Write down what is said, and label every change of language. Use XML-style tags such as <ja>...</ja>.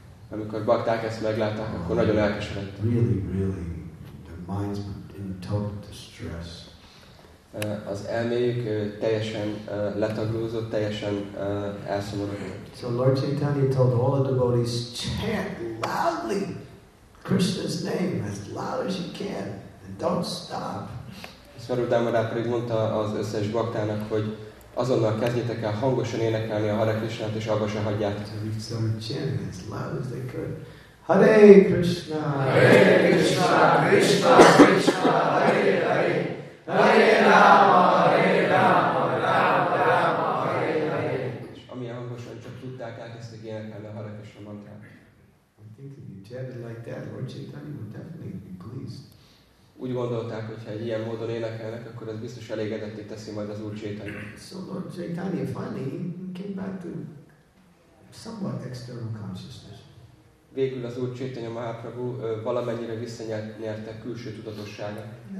<hu>Amikor bakták ezt meglátták, akkor nagyon elkeseredt.</hu> <en>Really, really, their minds were in total distress.</en> <hu>Az elméjük teljesen letaglózott, teljesen elszomorodott.</hu> <en>So Lord Chaitanya told all the devotees, chant loudly Krishna's name as loud as you can, and don't stop.</en> <hu>Swarup Damodar pedig mondta az összes baktának, hogy azonnal kezdjétek el hangosan énekelni a Hare Krishnát, és abba se hagyjátok.</hu> <en>So we started chanting as loud as they could.</en> <sa>Hare Krishna! Hare Krishna! Krishna! Krishna! Hare Hare! Hare Rama! Hare Rama! Rama Rama! Hare Hare!</sa> <hu>És amilyen hangosan csak tudták, elkezdtek énekelni a Hare Krishna mantrát.</hu> <en>I think if you chanted like that, Lord Chaitanya would definitely be pleased.</en> <hu>Úgy gondolták, hogy ha ilyen módon énekelnek, akkor ez biztos elégedetté teszi majd az Úr Chaitanyát.</hu> <en>So Lord Chaitanya finally came back to somewhat external consciousness.</en> <hu>Végül az Úr Chaitanya Mahaprabhu valamennyire visszanyerte külső tudatosságát.</hu>